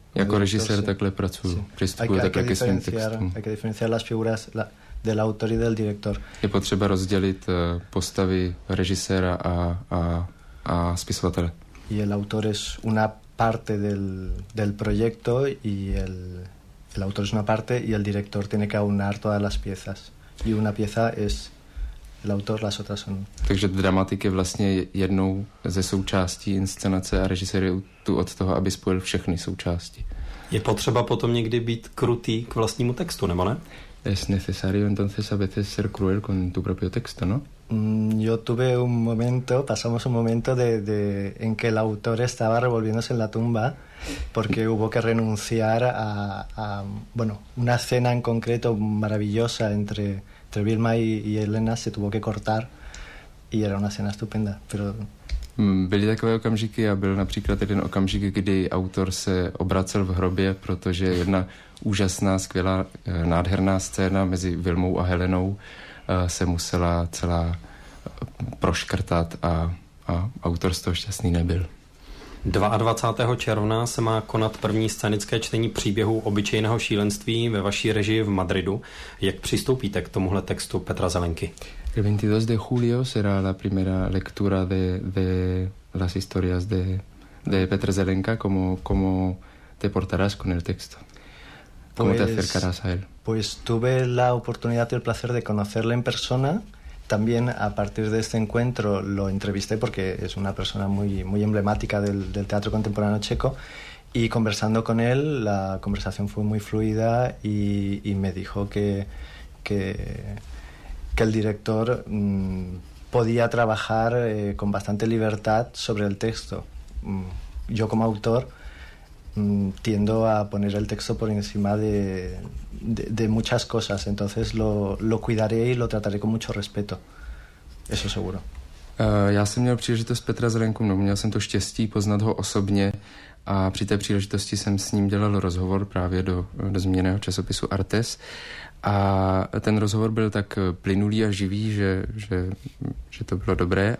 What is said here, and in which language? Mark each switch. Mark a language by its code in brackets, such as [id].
[cs] Jako režisér takhle pracuju, přistupuji také ke svým textům. [es] Hay que diferenciar las figuras del autor y del director. [cs] Je potřeba rozdělit postavy režiséra a spisovatele. [es] Y el autor es una parte del proyecto y el autor es una parte y el director tiene que aunar todas las piezas. Y una pieza es el autor, las otras son. [cs] Takže dramatik je vlastně jednou ze součástí inscenace a režisér je tu od toho, aby spojil všechny součásti. Je potřeba potom někdy být krutý k vlastnímu textu, nebo ne? [es] Es necesario entonces a veces ser cruel con tu propio texto, ¿no? Yo tuve un momento, pasamos un momento de en que el autor estaba revolviéndose en la tumba porque hubo que renunciar a bueno, una escena en concreto maravillosa entre Vilma y Elena se tuvo que cortar y era una escena estupenda, pero... [cs] Byly takové okamžiky a byl například jeden okamžik, kdy autor se obracel v hrobě, protože jedna úžasná, skvělá, nádherná scéna mezi Vilmou a Helenou se musela celá proškrtat a autor z toho šťastný nebyl. 22. června se má konat první scénické čtení příběhu Obyčejného šílenství ve vaší režii v Madridu. Jak přistoupíte k tomuhle textu Petra Zelenky? [es] El 22 de julio será la primera lectura de las historias de Petra Zelenka. ¿Cómo te portarás con el texto? ¿Cómo pues, te acercarás a él? Pues tuve la oportunidad y el placer de conocerle en persona. También a partir de este encuentro lo entrevisté porque es una persona muy, muy emblemática del teatro contemporáneo checo. Y conversando con él, la conversación fue muy fluida y me dijo que el director podía trabajar con bastante libertad sobre el texto. Yo como autor tiendo a poner el texto por encima de muchas cosas, entonces lo cuidaré y lo trataré con mucho respeto, eso seguro. [cs] Já jsem měl příležitost Petra Zelenku, no, měl jsem to štěstí poznat ho osobně a při té příležitosti jsem s ním dělal rozhovor právě do zmíněného časopisu Artes. A ten rozhovor byl tak plynulý a živý, že to bylo dobré.